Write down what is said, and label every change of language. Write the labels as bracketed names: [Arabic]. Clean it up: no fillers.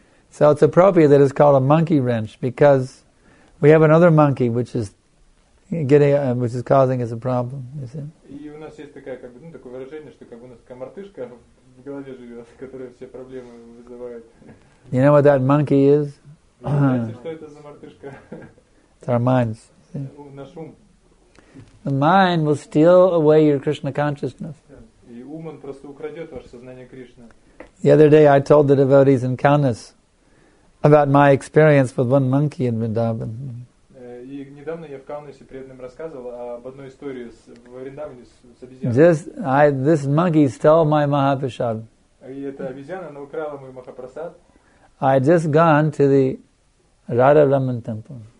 [English] So it's appropriate that it's called a monkey wrench because we have another monkey which is causing us a problem, you see. [Russian] И у нас есть такая, как бы, ну, такое выражение, что как бы у нас такая мартышка в голове живет, которая все проблемы вызывает. [English] You know what that monkey is? [Russian] Знаете, что это за мартышка? [English] It's our minds. [Russian] Наш ум. [English] The mind will steal away your Krishna consciousness. [Russian] И ум, он просто украдет ваше сознание Кришны. [English] The other day I told the devotees in Kaunas about my experience with one monkey in Vrindavan. [Russian] Недавно я в Каунасе преданным рассказывал об одной истории в Вриндаване с обезьяной. [English] This monkey stole my Mahaprasad. [Russian] И эта обезьяна, она украла мой Махапрасад. [English] I had just gone to the Radha-Raman temple.